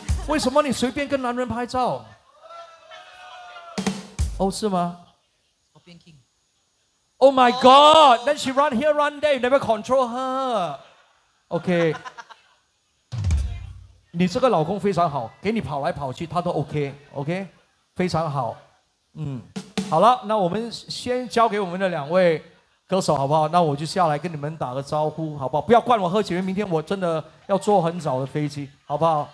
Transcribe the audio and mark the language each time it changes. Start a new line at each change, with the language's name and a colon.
Chinese: 为什么你随便跟男人拍照？是吗？我变 king。
English: Oh my god, then she run here, run there, you never control her. Okay.
Chinese: 你这个老公非常好，给你跑来跑去他都 okay, 非常好。好了，那我们先交给我们的两位歌手好不好，那我就下来跟你们打个招呼好不好，不要灌我喝酒，明天我真的要坐很早的飞机好不好。